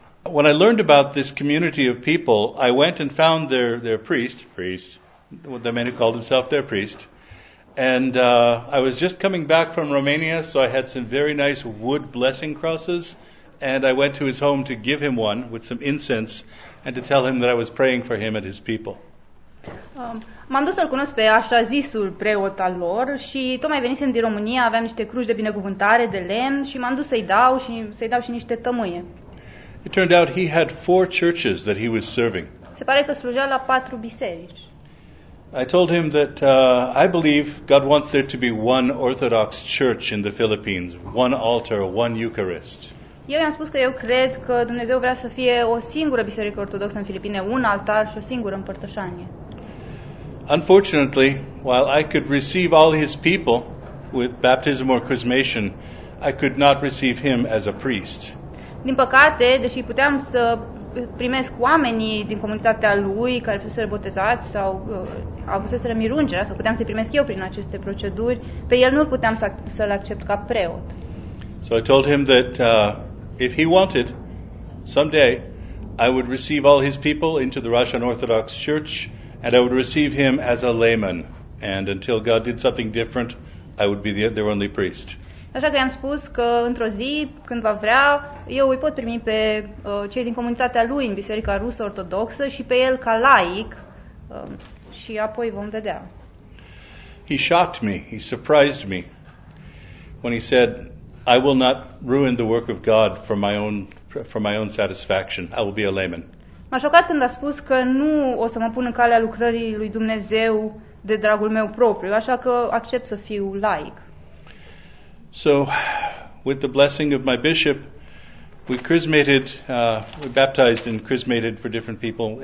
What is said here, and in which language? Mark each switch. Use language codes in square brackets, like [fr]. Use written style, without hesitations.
[en] When I learned about this community of people, I went and found their priest, the man who called himself their priest. And I was just coming back from Romania, so I had some very nice wood blessing crosses, and I went to his home to give him one with some incense and to tell him that I was praying for him and his people. [ro] M-am dus să-l cunosc pe așa zisul preot al lor și tocmai venisem din România, aveam niște cruci de binecuvântare de lemn și m-am dus să-i dau și niște tămâie. [en] It turned out he had 4 churches that he was serving. [ro] Se pare că slujea la 4 biserici. [en] I told him that I believe God wants there to be one Orthodox church in the Philippines, one altar, one Eucharist. [ro] Eu i-am spus că eu cred că Dumnezeu vrea să fie o singură biserică ortodoxă în Filipine, un altar și o singură împărtășanie. [en] Unfortunately, while I could receive all his people with baptism or chrismation, I could not receive him as a priest. [ro] Din păcate, deși puteam să primesc oamenii din comunitatea lui care fuseseră botezați sau avuseseră mirungerea, sau puteam să-i primesc eu prin aceste proceduri, pe el nu puteam să-l accept ca preot. [en] So I told him that if he wanted, someday I would receive all his people into the Russian Orthodox Church and I would receive him as a layman. And until God did something different, I would be their only priest. [ro] Așa că i-am spus că într-o zi, când va vrea, eu îi pot primi pe cei din comunitatea lui în Biserica Rusă Ortodoxă și pe el ca laic și apoi vom vedea. [en] He shocked me, he surprised me when he said, I will not ruin the work of God for my own satisfaction. I will be a layman. [ro] M-a șocat când a spus că nu o să mă pun în calea lucrării lui Dumnezeu de dragul meu propriu, așa că accept să fiu laic. [en] So, with the blessing of my bishop, we chrismated, we baptized and chrismated for different people.